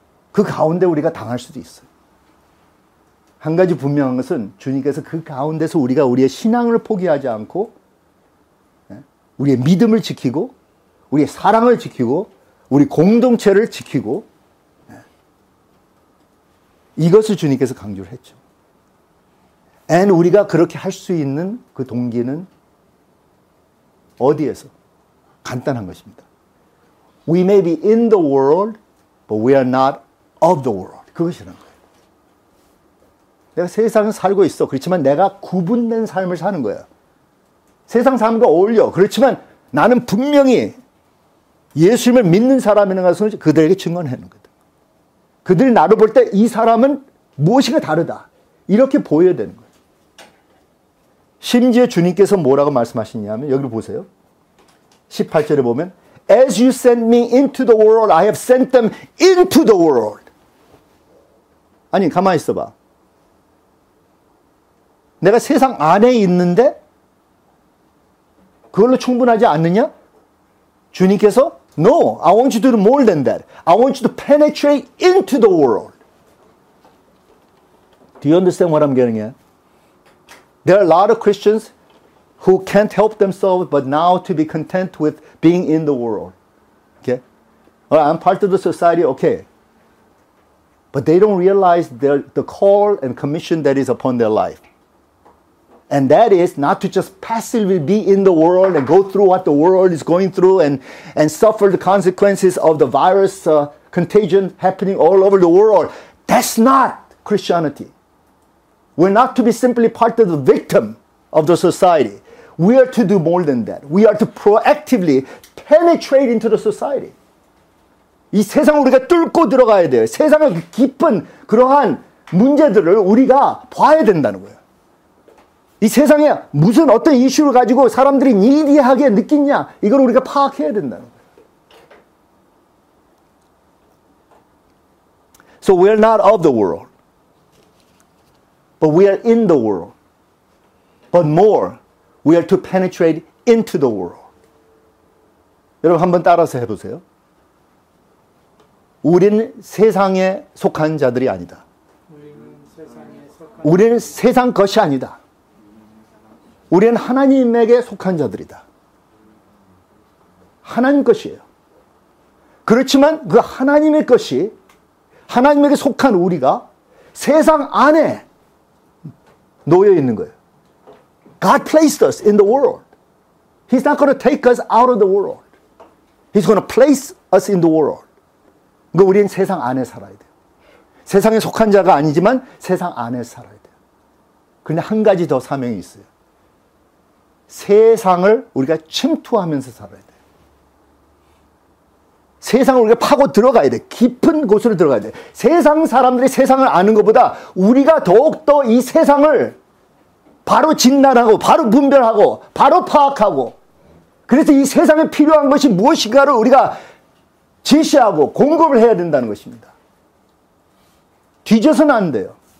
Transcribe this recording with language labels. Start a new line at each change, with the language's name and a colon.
Korean: 그 가운데 우리가 당할 수도 있어요. 한 가지 분명한 것은 주님께서 그 가운데서 우리가 우리의 신앙을 포기하지 않고 우리의 믿음을 지키고 우리의 사랑을 지키고 우리 공동체를 지키고 이것을 주님께서 강조를 했죠. And 우리가 그렇게 할 수 있는 그 동기는 어디에서? 간단한 것입니다.
English: We may be in the world, but we are not of the world.
Korean: 그것이란 거예요. 내가 세상을 살고 있어. 그렇지만 내가 구분된 삶을 사는 거야. 세상 삶과 어울려. 그렇지만 나는 분명히 예수님을 믿는 사람이라는 것을 그들에게 증언하는 거다. 그들이 나를 볼 때 이 사람은 무엇인가 다르다. 이렇게 보여야 되는 거예요. 심지어 주님께서 뭐라고 말씀하시냐면 여기를 보세요. 18절에 보면
English: As you sent me into the world, I have sent them into the world.
Korean: 아니, 가만히 있어봐. 내가 세상 안에 있는데 그걸로 충분하지 않느냐? 주님께서
English: No, I want you to do more than that. I want you to penetrate into the world. Do you understand what I'm getting at? There are a lot of Christians who can't help themselves but now to be content with being in the world. Okay? Well, I'm part of the society, okay. But they don't realize the call and commission that is upon their life. And that is not to just passively be in the world and go through what the world is going through and suffer the consequences of the virus contagion happening all over the world. That's not Christianity. We're not to be simply part of the victim of the society. We are to do more than that. We are to proactively penetrate into the society.
Korean: 이 세상을 우리가 뚫고 들어가야 돼요. 세상의 깊은 그러한 문제들을 우리가 봐야 된다는 거예요. 이 세상에 무슨 어떤 이슈를 가지고 사람들이 니디하게 느끼냐 이걸 우리가 파악해야 된다는 거예요.
English: So we are not of the world. But we are in the world. But more, we are to penetrate into the world.
Korean: 여러분 한번 따라서 해보세요. 우리는 세상에 속한 자들이 아니다. 우리는 세상 것이 아니다. 우리는 하나님에게 속한 자들이다. 하나님 것이에요. 그렇지만 그 하나님의 것이 하나님에게 속한 우리가 세상 안에 놓여 있는 거예요.
English: God placed us in the world. He's not going to take us out of the world. He's going to place us in the world.
Korean: 그러니까 우리는 세상 안에 살아야 돼요. 세상에 속한 자가 아니지만 세상 안에 살아야 돼요. 그런데 한 가지 더 사명이 있어요. 세상을 우리가 침투하면서 살아야 돼요. 세상을 우리가 파고 들어가야 돼. 깊은 곳으로 들어가야 돼. 세상 사람들이 세상을 아는 것보다 우리가 더욱더 이 세상을 바로 진단하고 바로 분별하고 바로 파악하고 그래서 이 세상에 필요한 것이 무엇인가를 우리가 제시하고 공급을 해야 된다는 것입니다. 뒤져서는 안 돼요.